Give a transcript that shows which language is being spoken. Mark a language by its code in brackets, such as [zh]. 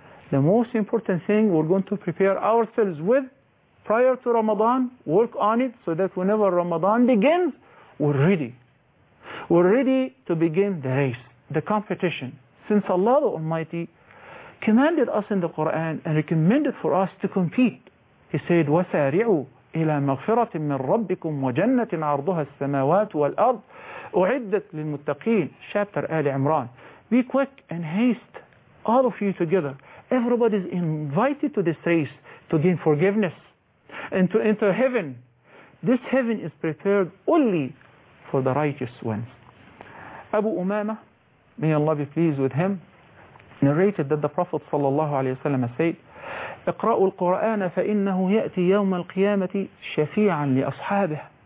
[en] The most important thing we're going to prepare ourselves with prior to Ramadan, work on it so that whenever Ramadan begins, we're ready. We're ready to begin the race, the competition. since Allah the Almighty commanded us in the Quran and recommended for us to compete. He said, [ar] وَسَارِعُوا إِلَى مَغْفِرَةٍ مِّن رَبِّكُمْ وَجَنَّةٍ عَرْضُهَا السَّمَاوَاتُ وَالْأَرْضُ أُعِدَّتْ لِلْمُتَّقِينَ Chapter Ali Imran. [en] Be quick and haste, all of you together. Everybody is invited to this race to gain forgiveness and to enter heaven. This heaven is prepared only for the righteous ones. Abu Umama, may Allah be pleased with him, narrated that the Prophet sallallahu alayhi wa sallam said, [ar] اقرأوا القرآن فإنه يأتي يوم القيامة شفيعا لأصحابه.